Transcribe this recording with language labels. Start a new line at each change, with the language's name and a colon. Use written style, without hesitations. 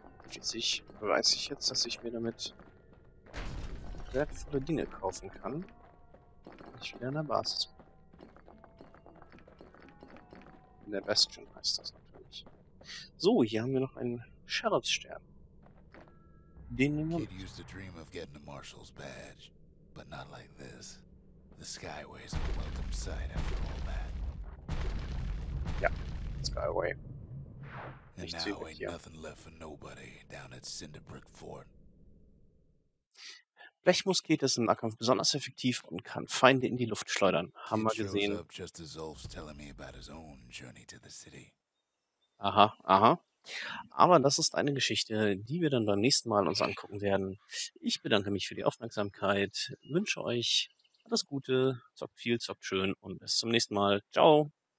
German: Schließlich weiß ich jetzt, dass ich mir damit wertvolle Dinge kaufen kann. Ich wieder in der Basis. In der Bastion heißt das natürlich. So, hier haben wir noch einen Sheriffsstern. Den nehmen wir.
English: Kid used to dream of getting a Marshal's badge, but not like this. The Skyway is a welcome sight after all that.
German: Ja, Skyway.
English: And now ain't nothing left for nobody down at Cinderbrick Fort.
German: Blechmusket ist im Nahkampf besonders effektiv und kann Feinde in die Luft schleudern. Haben wir gesehen.
English: Just as Zulf's telling me about his own journey to the city. Aha, aha.
German: Aber das ist eine Geschichte, die wir dann beim nächsten Mal uns angucken werden. Ich bedanke mich für die Aufmerksamkeit, wünsche euch alles Gute, zockt viel, zockt schön und bis zum nächsten Mal. Ciao!